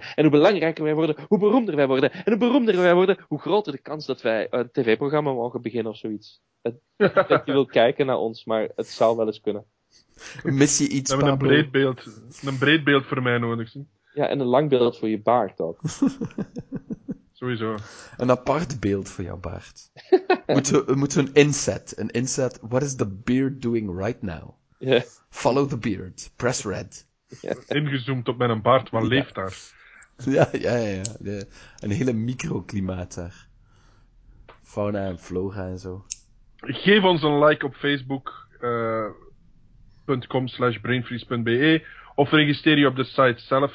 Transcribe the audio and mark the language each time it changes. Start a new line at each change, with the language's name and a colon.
Dutch: En hoe belangrijker wij worden, hoe beroemder wij worden. En hoe beroemder wij worden, hoe groter de kans dat wij een tv-programma mogen beginnen of zoiets. Dat je wilt kijken naar ons, maar het zou wel eens kunnen. Mis je iets, Pablo? We hebben een breed beeld voor mij nodig. Ja, en een lang beeld voor je baard ook. Sowieso. Een apart beeld voor jouw baard. Moeten we een inset.
English: What is the beard doing right now? Yeah. Follow the beard. Press red. Yeah.
Dutch: Ingezoomd op mijn baard, wat leeft daar? Ja. Een hele microklimaat daar. Fauna en flora en zo. Geef ons een like op facebook.com/brainfreeze.be of registreer je op de site zelf.